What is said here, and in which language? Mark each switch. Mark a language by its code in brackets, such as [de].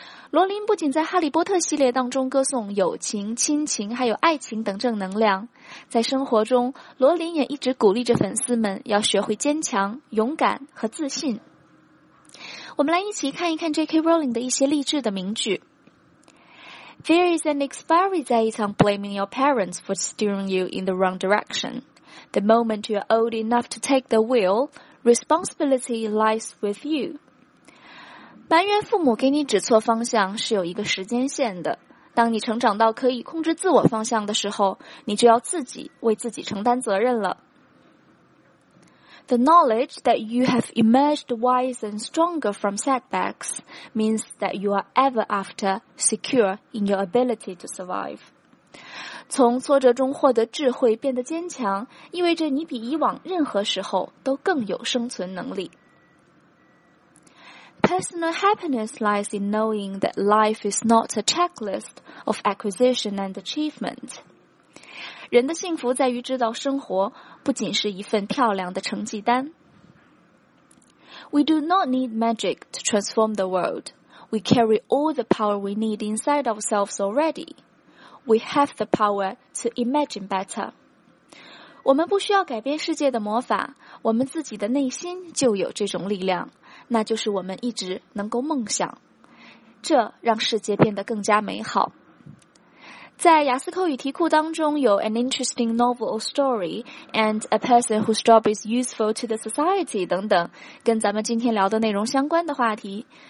[zh] 罗琳不仅在《哈利波特》系列当中歌颂友情、亲情还有爱情等正能量，在生活中罗琳也一直鼓励着粉丝们要学会坚强、勇敢和自信。我们来一起看一看 J.K. Rowling 的一些励志的名句。 [en] There is an expiry date on blaming your parents for steering you in the wrong direction. The moment you are old enough to take the wheel, responsibility lies with you. [zh] 埋怨父母给你指错方向是有一个时间线的。当你成长到可以控制自我方向的时候，你就要自己为自己承担责任了。 [en] The knowledge that you have emerged wise and stronger from setbacks means that you are ever after secure in your ability to survive. [zh] 从挫折中获得智慧变得坚强，意味着你比以往任何时候都更有生存能力。 [en] Personal happiness lies in knowing that life is not a checklist of acquisition and achievement. [zh] 人的幸福在于知道生活不仅是一份漂亮的成绩单。 [en] We do not need magic to transform the world. We carry all the power we need inside ourselves already. We have the power to imagine better. [zh] 我们不需要改变世界的魔法，我们自己的内心就有这种力量，那就是我们一直能够梦想。这让世界变得更加美好。在雅思口语题库当中有 [en] An interesting novel or story and a person whose job is useful to the society [zh] 等等跟咱们今天聊的内容相关的话题。